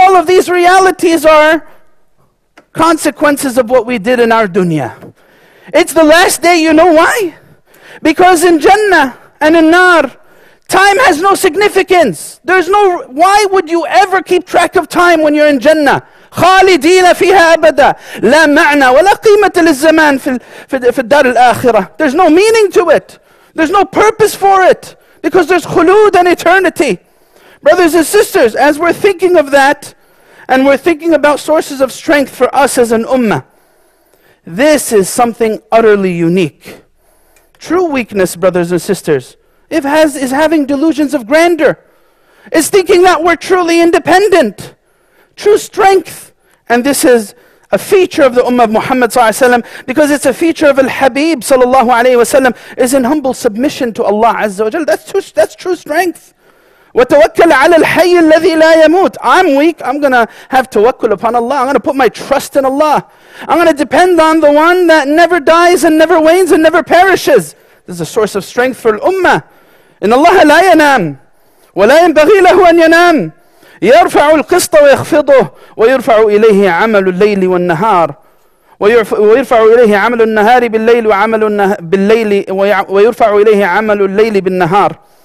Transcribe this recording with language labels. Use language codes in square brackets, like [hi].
[en] All of these realities are consequences of what we did in our dunya. It's the last day. You know why? Because in Jannah and in Nar, time has no significance. Why would you ever keep track of time when you're in Jannah? [ar] خالدين فيها أبدا لا معنى ولا قيمة للزمان في الدار الآخرة. [en] There's no meaning to it. There's no purpose for it. Because there's khulud and eternity. Brothers and sisters, as we're thinking of that, and we're thinking about sources of strength for us as an ummah, this is something utterly unique. True weakness, brothers and sisters, is having delusions of grandeur. It's thinking that we're truly independent. True strength, and this is a feature of the Ummah of Muhammad sallallahu alayhi wa sallam, because it's a feature of Al-Habib sallallahu alayhi wa sallam, is in humble submission to Allah azza wa jal. That's true strength. [ar] وتوكل على الحي الذي لا يموت. [en] I'm weak. I'm gonna have tawakkul upon Allah. I'm gonna put my trust in Allah. I'm gonna depend on the one that never dies and never wanes and never perishes. This is a source of strength for al-ummah. [ar] إن الله لا ينام ولا ينبغي له أن ينام يرفع القسط ويخفضه ويرفع إليه عمل الليل والنهار ويرفع إليه عمل النهار بالليل وعمل بالليل ويرفع إليه عمل الليل بالنهار.